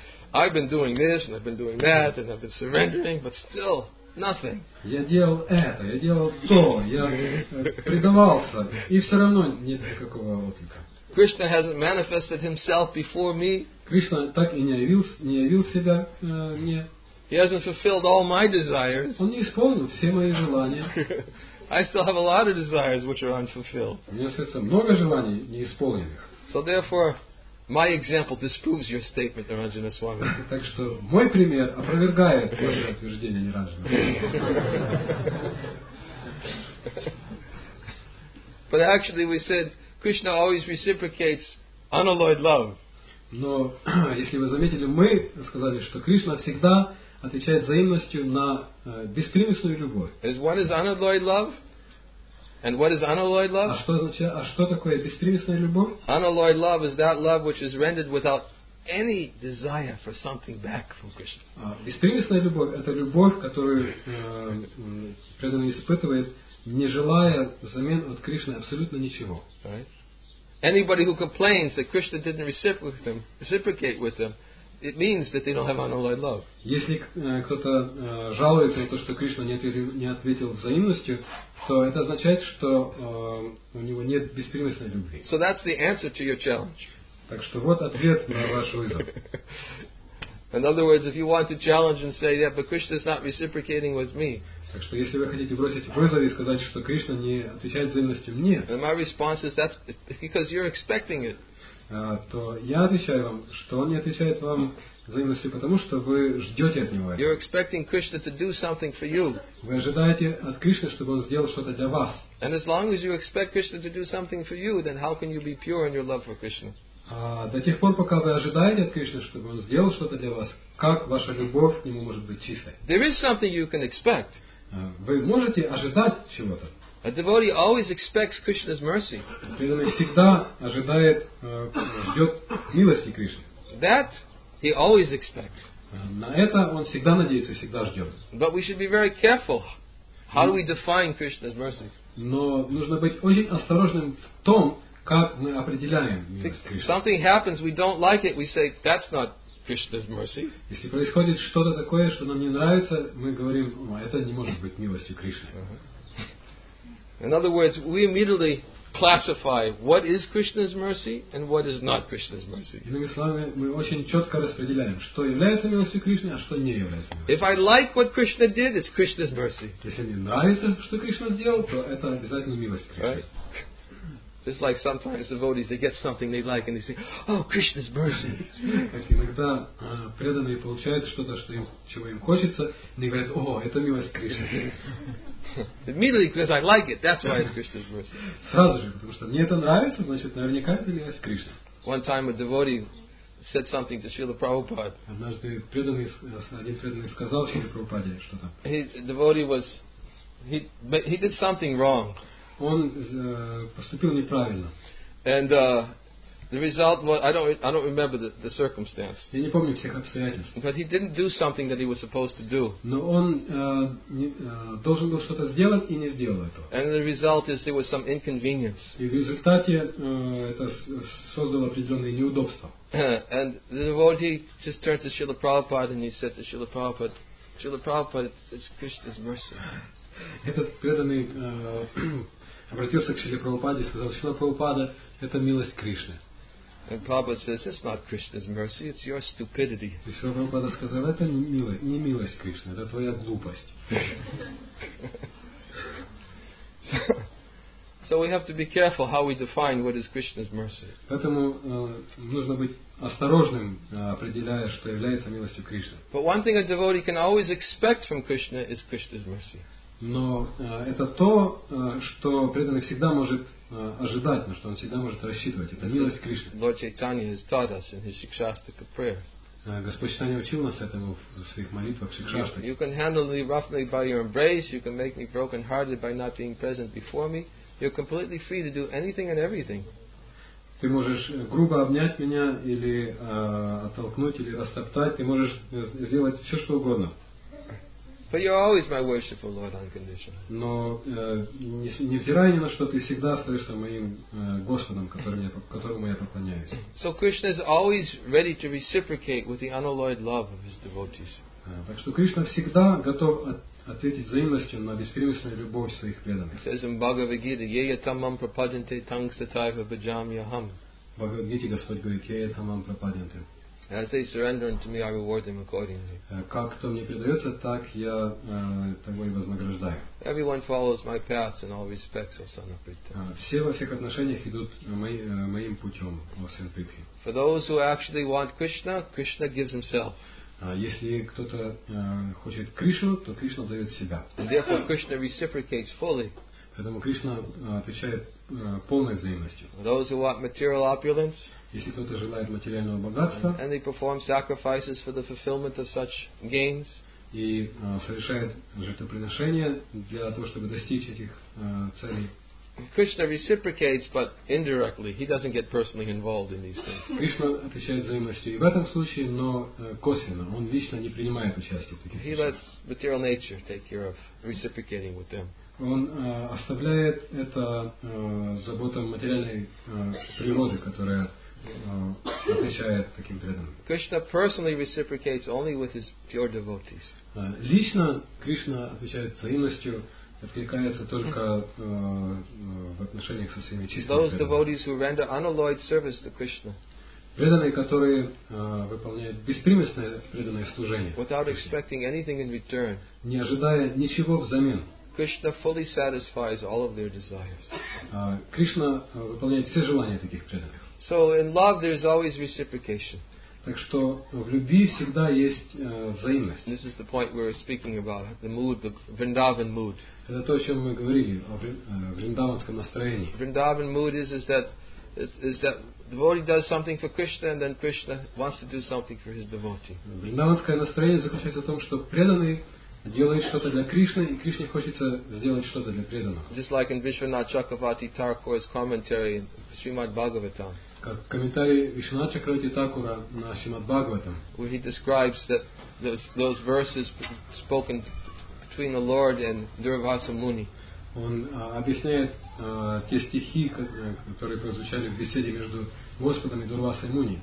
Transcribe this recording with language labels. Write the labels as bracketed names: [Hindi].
[English] I've been doing this and I've been doing that and I've been surrendering, but still nothing. [Russian] Я делал это, я делал то, я предавался, и все равно нет никакого отклика. [English] Krishna hasn't manifested himself before me. [Russian] Кришна так и не явил себя мне. [English] He hasn't fulfilled all my desires. [Russian] Он не исполнил все мои желания. [English] I still have a lot of desires which are unfulfilled. [Russian] У меня остается много желаний неисполненных. [English] So therefore, my example disproves your statement, Niranjana Swami. [Russian] Так что мой пример опровергает ваше утверждение, Ниранджана. [English] But actually, we said Krishna always reciprocates unalloyed love. [Russian] Но если вы заметили, мы сказали, что Кришна всегда отвечает взаимностью на беспримесную любовь. [English] Is what is unalloyed love? And what is unalloyed love? [Russian] А что такое беспримесная любовь? [English] Unalloyed love is that love which is rendered without any desire for something back from Krishna. [Russian] Беспримесная любовь – это любовь, которую преданный испытывает, не желая взамен от Кришны абсолютно ничего. [English] Right? Anybody who complains that Krishna didn't reciprocate with them, it means that they don't have unalloyed love. [Russian] Если кто-то жалуется на то, что Кришна не ответил взаимностью, то это означает, что у него нет беспримесной любви. [English] So that's the answer to your challenge. [Russian] Так что вот ответ на ваш вызов. [English] In other words, if you want to challenge and say, yeah, but Krishna is not reciprocating with me. [Russian] Так что если вы хотите бросить вызов и сказать, что Кришна не отвечает взаимностью мне. [English] And my response is that's because you're expecting it. [Russian] То я отвечаю вам, что он не отвечает вам взаимностью, потому что вы ждете от него. [English] You're expecting Krishna to do something for you. [Russian] Вы ожидаете от Кришны, чтобы он сделал что-то для вас. [English] And as long as you expect Krishna to do something for you, then how can you be pure in your love for Krishna? [Russian] До тех пор, пока вы ожидаете от Кришны, чтобы он сделал что-то для вас, как ваша любовь к нему может быть чистой? [English] There is something you can expect. [Russian] Вы можете ожидать чего-то. [English] A devotee always expects Krishna's mercy. [Russian] Преданный всегда ожидает, ждет милости Кришны. [English] That he always expects. [Russian] На это он всегда надеется, всегда ждет. [English] But we should be very careful. How do we define Krishna's mercy? [Russian] Но нужно быть очень осторожным в том, как мы определяем милость Кришны. [English] Something happens, we don't like it, we say that's not Krishna's mercy. [Russian] Если происходит что-то такое, что нам не нравится, мы говорим, это не может быть милостью Кришны. [English] In other words, we immediately classify what is Krishna's mercy and what is not Krishna's mercy. [Russian] Иными словами, мы очень четко распределяем, что является милостью Кришны, а что не является. [English] If I like what Krishna did, it's Krishna's mercy. [Russian] Если мне нравится, что Кришна сделал, то это обязательно милость Кришны. [English] Right? Just like sometimes devotees, they get something they like and they say, "Oh, Krishna's mercy." [Russian] Иногда преданные получают что-то, что им чего им хочется, и говорят, "О, это милость Кришны." [English] Immediately, because I like it, that's why it's Krishna's mercy. [Russian] Сразу же, потому что мне это нравится, значит, наверняка это милость Кришны. [English] One time, a devotee said something to Srila Prabhupada. [Russian] Однажды один преданный сказал Шриле Прабхупаде что-то. [English] He did something wrong. [Russian] Он поступил неправильно. [English] And the result was, I don't remember the circumstance. [Russian] Я не помню всех обстоятельств. [English] But he didn't do something that he was supposed to do. [Russian] Но он должен был что-то сделать и не сделал этого. [English] And the result is there was some inconvenience. [Russian] И в результате это создало определенные неудобства. [English] And the devotee just turned to Srila Prabhupada and he said to Srila Prabhupada, it's Krishna's mercy. [Russian] Этот преданный обратился к Шриле Прабхупаде и сказал, Шрила Прабхупада, это милость Кришны. [English] And Prabhupada says, it's not Krishna's mercy, it's your stupidity. [Russian] И Шрила Прабхупада сказал, это не милость Кришны, это твоя глупость. [English] So we have to be careful how we define what is Krishna's mercy. [Russian] Поэтому нужно быть осторожным, определяя, что является милостью Кришны. [English] But one thing a devotee can always expect from Krishna is Krishna's mercy. [Russian] Но это то, что преданный всегда может ожидать, на что он всегда может рассчитывать. Это милость Кришны. [English] Lord Chaitanya has taught us in his Shikshastaka prayers. [Russian] Господь Читание учил нас этому в своих молитвах, в Шикшаштах. [English] You can handle me roughly by your embrace, you can make me broken hearted by not being present before me. You're completely free to do anything and everything. [Russian] Ты можешь грубо обнять меня или оттолкнуть или растоптать, ты можешь сделать все что угодно. [English] But you're always my worshipful Lord unconditionally. [Russian] Но невзирая ни на что, ты всегда остаешься моим Господом, которому я поклоняюсь. [English] So Krishna is always ready to reciprocate with the unalloyed love of his devotees. [Russian] Так что Кришна всегда готов ответить взаимностью на беспримесную любовь своих преданных. [English] Says in Bhagavad Gita, [Sanskrit] Yeya tamam prapadyante tangstataiva bhajami aham. [Russian] Bhagavad Gita Господь говорит, [Sanskrit] Yeya tamam prapadyante. [English] As they surrender unto me, I reward them accordingly. [Russian] Как кто мне предается, так я того и вознаграждаю. [English] Everyone follows my path in all respects, O Son of Pritha. [Russian] Все во всех отношениях идут моим путем, О Сын Притхи. [English] For those who actually want Krishna, Krishna gives himself. [Russian] Если кто-то хочет Кришну, то Кришна дает себя. [English] And therefore, Krishna reciprocates fully. [Russian] Поэтому Кришна отвечает полной взаимностью. [English] Those who want material opulence. [Russian] Если кто-то желает материального богатства, [English] and they perform sacrifices for the fulfillment of such gains, [Russian] и совершает жертвоприношения для того, чтобы достичь этих целей. [English] Krishna reciprocates, but indirectly. He doesn't get personally involved in these things. [Russian] Кришна отвечает взаимностью и в этом случае, но косвенно. Он лично не принимает участие в таких вещах. [English] He lets material nature take care of reciprocating with them. [Russian] Он оставляет это заботам материальной природы, которая отвечает таким преданным. [English] Krishna personally reciprocates only with his pure devotees. [Russian] Лично Кришна отвечает взаимностью, откликается только в отношениях со своими чистыми преданными. [English] Those devotees who render unalloyed service to Krishna. [Russian] Преданные, которые выполняют беспримесное преданное служение. [English] Without expecting anything in return. [Russian] Не ожидая ничего взамен. [English] Krishna fully satisfies all of their desires. [Russian] Кришна выполняет все желания таких преданных. [English] So in love there is always reciprocation. [Russian] Так что в любви всегда есть взаимность. [English] This is the point we were speaking about, the mood, the Vrindavan mood. [Russian] Это то, о чем мы говорили, о вриндаванском настроении. [English] Vrindavan mood is that devotee does something for Krishna and then Krishna wants to do something for his devotee. [Russian] Вриндаванское настроение заключается в том, что преданный делает что-то для Кришны, и Кришне хочется сделать что-то для преданного. [English] Just like in Vishwanath Chakravarti Thakur's commentary in Srimad Bhagavatam. [Russian] Как комментарий Вишванат Чакравати Такура на Шримад Бхагаватам. [English] Where he describes that those verses spoken between the Lord and Durvasa Muni. [Russian] Он объясняет те стихи, которые прозвучали в беседе между Господом и Дурвасой Муни.